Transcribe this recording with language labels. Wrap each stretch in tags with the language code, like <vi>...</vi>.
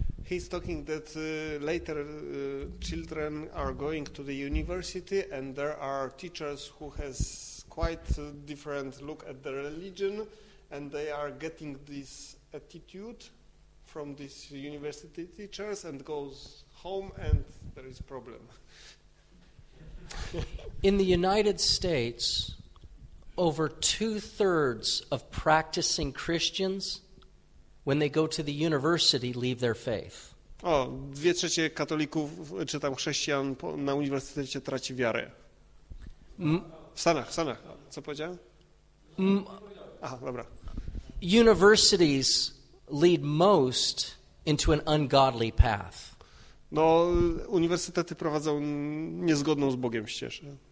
<en>he's talking that later children are going to the university and there are teachers who has quite different look at the religion and they are getting this attitude from these university teachers and goes home and there is problem. In the United States, over two-thirds of practicing Christians, when they go to the university, leave their faith.</en> <pl>O, dwie trzecie katolików, czy tam chrześcijan po, na uniwersytecie traci wiarę. W Stanach. Co powiedziałem? Dobra.</pl> <en>Universities lead most into an ungodly path.</en> <pl>No, uniwersytety prowadzą niezgodną z Bogiem ścieżkę.</pl>